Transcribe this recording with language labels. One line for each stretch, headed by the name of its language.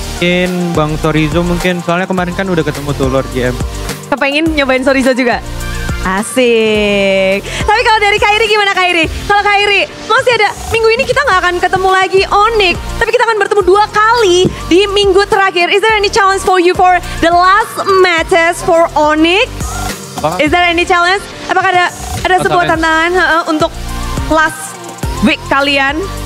Indonesian: Mungkin Bang Sorizo mungkin, soalnya kemarin kan udah ketemu tuh Lord GM. Kepengen nyobain Sorizo juga? Asik. Tapi kalau dari Kairi gimana Kairi? Kalau Kairi masih ada minggu ini kita nggak akan ketemu lagi Onyx, tapi kita akan bertemu dua kali di minggu terakhir.
English: Is there any challenge for you for the last matches for Onyx? Is there any challenge?
Indonesian: Apakah ada sebuah tantangan untuk
English: last week
Indonesian: kalian?